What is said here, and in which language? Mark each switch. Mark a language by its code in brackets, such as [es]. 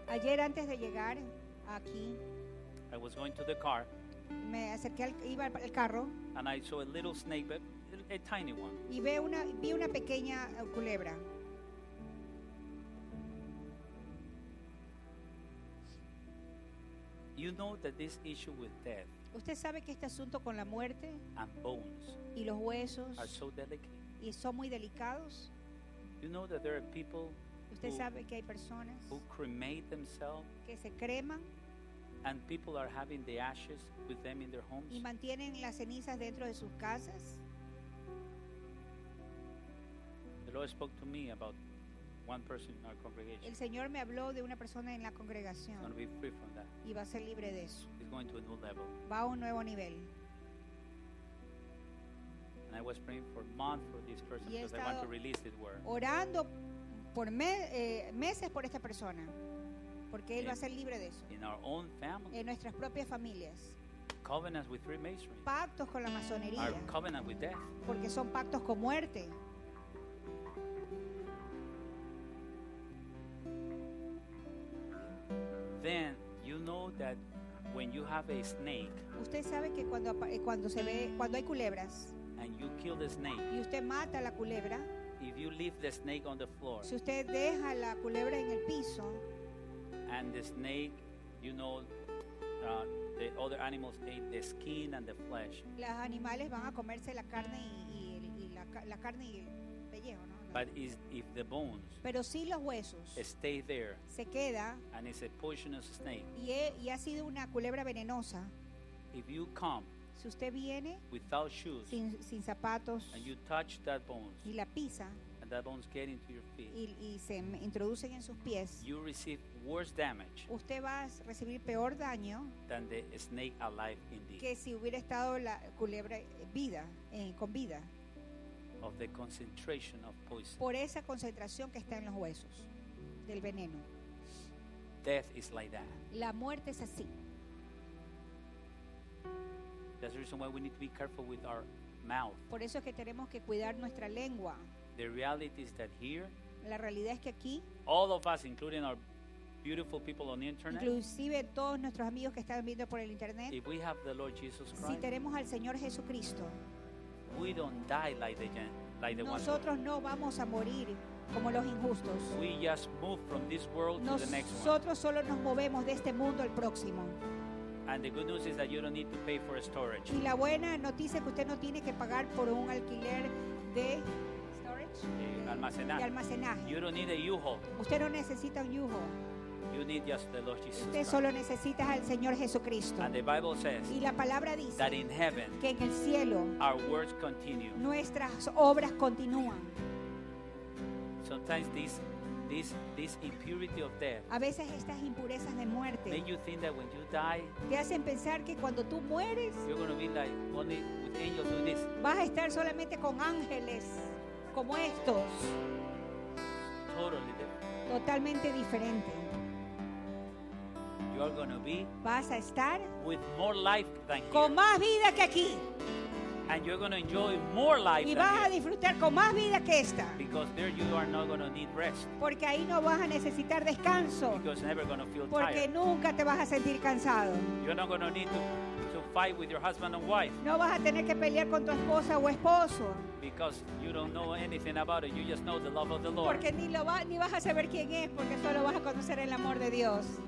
[es] ayer antes de llegar aquí, [en] I was going to the car, [es] me acerqué al, iba al carro, [en] and I saw a little snake, a tiny one. [es] Y vi una pequeña culebra. [en] You know that this issue with death, [es] usted sabe que este asunto con la muerte, [en] and bones, [es] y los huesos, [en] are so delicate, [es] y son muy delicados. [en] You know that there are people, [es] usted sabe que hay personas, [en] who cremate themselves, [es] que se creman, [en] and people are having the ashes with them in their homes, [es] y mantienen las cenizas dentro de sus casas. [en] The Lord spoke to me about one person in our congregation. [es] El Señor me habló de una persona en la congregación. [en] He's going to be free from that. [es] Y va a ser libre de eso. [en] He's going to a new level. [es] Va a un nuevo nivel. [en] And I was praying for months for this person because I want to release this word. [es] Orando por meses por esta persona, porque él va a ser libre de eso. [en] In our own family. [es] En nuestras propias familias. [en] Covenants with Freemasonry. [es] Pactos con la masonería. [en] Our covenant with death. [es] Porque son pactos con muerte. [en] Then you know that when you have a snake, [es] usted sabe que cuando hay culebras, [en] and you kill the snake, [es] y usted mata la culebra, [en] if you leave the snake on the floor, [es] si usted deja la culebra en el piso, [en] and the snake, you know, the other animals ate the skin and the flesh. [es] Los animales van a comerse la carne y la carne y el pellejo, ¿no? [en] But if the bones, [es] pero si los huesos, [en] stay there, [es] se queda, [en] and it's a poisonous snake, [es] y ha sido una culebra venenosa, [en] if you come, [es] si usted viene, [en] without shoes, [es] sin zapatos, [en] and you touch that bones, [es] y la pisa, [en] and that bones get into your feet, [es] y se introducen en sus pies, [en] you receive worse damage, [es] usted va a recibir peor daño, [en] than the snake alive indeed, [es] que si hubiera estado la culebra vida, con vida. [en] Of the concentration of poison. [es] Por esa concentración que está en los huesos del veneno. [en] Death is like that. [es] La muerte es así. [en] That's the reason why we need to be careful with our mouth. [es] Por eso es que tenemos que cuidar nuestra lengua. [en] The reality is that here, [es] la realidad es que aquí, [en] all of us, including our beautiful people on the internet, [es] inclusive todos nuestros amigos que están viendo por el internet, [en] if we have the Lord Jesus Christ, [es] si tenemos al Señor Jesucristo, [en] we don't die like the [es] nosotros [en] one. [es] No vamos a morir como los injustos. [en] We just move from this world to the next one. [es] Nosotros solo nos movemos de este mundo al próximo. [en] And the good news is that you don't need to pay for storage. [es] Y la buena noticia es que usted no tiene que pagar por un alquiler de storage. De almacenaje. [en] You don't need a U-Haul. [es] Usted no necesita un U-Haul. [en] You need just the Lord Jesus. [es] Usted solo necesita al Señor Jesucristo. [en] And the Bible says, [es] y la palabra dice, [en] that in heaven, [es] que en el cielo, [en] our words continue. [es] Nuestras obras continúan. [en] Sometimes this impurity of death, [es] a veces estas impurezas de muerte, [en] make you think that when you die, [es] te hacen pensar que cuando tú mueres, [en] you're going to be like only with angels doing this. [es] Vas a estar solamente con ángeles como estos. [en] Totally different. [es] Totalmente diferente. [en] You are going to be, [es] vas a estar [en] with more life than [es] con [en] here. [es] Más vida que aquí. [en] And you're going to enjoy more life [es] y vas [en] than [es] a disfrutar [en] here. [es] Con más vida que esta. [en] Because there you are not going to need rest. [es] Porque ahí no vas a necesitar descanso. [en] Because you're never going to feel [es] porque [en] tired. [es] Nunca te vas a sentir cansado. [en] You're not going to need to fight with your husband and wife. [es] No vas a tener que pelear con tu esposa o esposo. [en] Because you don't know anything about it. You just know the love of the Lord. [es] Porque ni vas a saber quién es, porque solo vas a conocer el amor de Dios.